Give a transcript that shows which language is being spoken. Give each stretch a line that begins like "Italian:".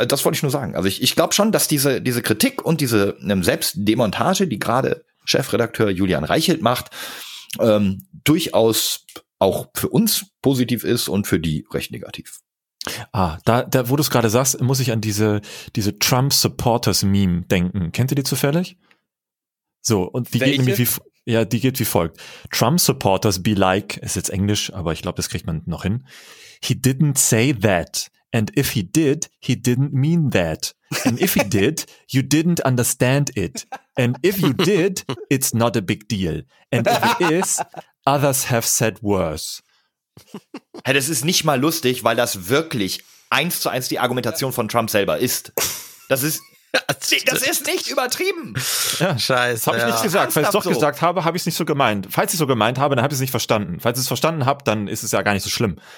German: Das wollte ich nur sagen. Also ich glaube schon, dass diese Kritik und diese Selbstdemontage, die gerade Chefredakteur Julian Reichelt macht, durchaus auch für uns positiv ist und für die recht negativ. Da wo du es gerade sagst, muss ich an diese Trump-Supporters-Meme denken. Kennt ihr die zufällig? So, und die geht nämlich wie folgt.
English: Trump supporters be like,
German: ist jetzt Englisch, aber ich glaube, das kriegt man noch hin.
English: He didn't say that. And if he didn't mean that. And if he did, you didn't understand it. And if you did, it's not a big deal. And if it is, others have said worse.
German: Hey, das ist nicht mal lustig, weil das wirklich 1:1 die Argumentation von Trump selber ist. Das ist nicht übertrieben. Ja, scheiße. Habe ich nicht gesagt. Falls ich es doch gesagt habe, habe ich es nicht so gemeint. Falls ich es so gemeint habe, dann habe ich es nicht verstanden. Falls ich es verstanden habe, dann ist es ja gar nicht so schlimm.